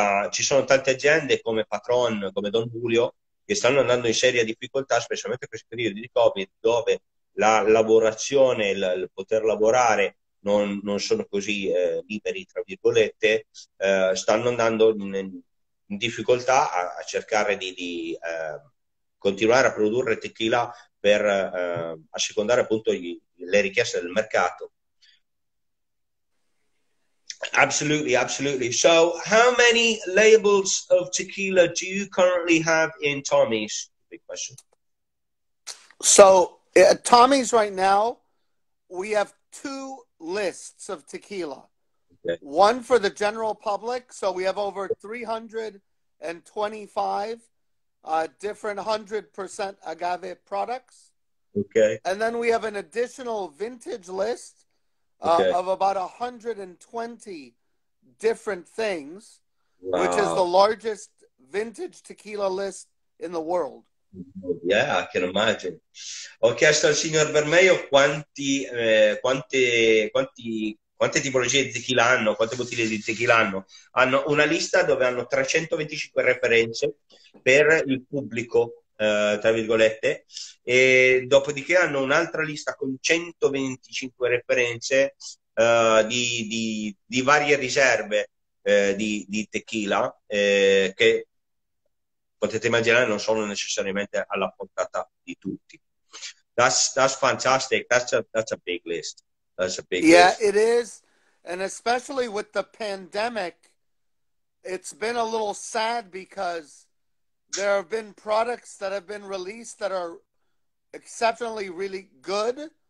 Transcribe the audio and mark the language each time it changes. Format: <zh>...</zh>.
<it>ci sono tante aziende come Patron, come Don Julio, che stanno andando in seria difficoltà, specialmente in questi periodi di Covid, dove la lavorazione, il poter lavorare, non sono così liberi, tra virgolette, stanno andando in difficoltà a cercare di continuare a produrre tequila per assecondare appunto le richieste del mercato.</it> <en>Absolutely, absolutely. So, how many labels of tequila do you currently have in Tommy's? Big question. So, at Tommy's right now, we have two lists of tequila. Okay. One for the general public, so we have over 325 different 100% agave products. Okay. And then we have an additional vintage list of about 120 different things, which is the largest vintage tequila list in the world. Yeah, I can imagine.</en> <it>Ho chiesto al signor Bermejo quante tipologie di tequila hanno, quante bottiglie di tequila hanno. Hanno una lista dove hanno 325 referenze per il pubblico, tra virgolette, e dopodiché hanno un'altra lista con 125 referenze di varie riserve di tequila, che potete immaginare non sono necessariamente alla portata di tutti.</it> <en>That's fantastic. That's a big list. Yeah, it is, and especially with the pandemic, it's been a little sad because there have been products that have been released that are exceptionally really good.</en>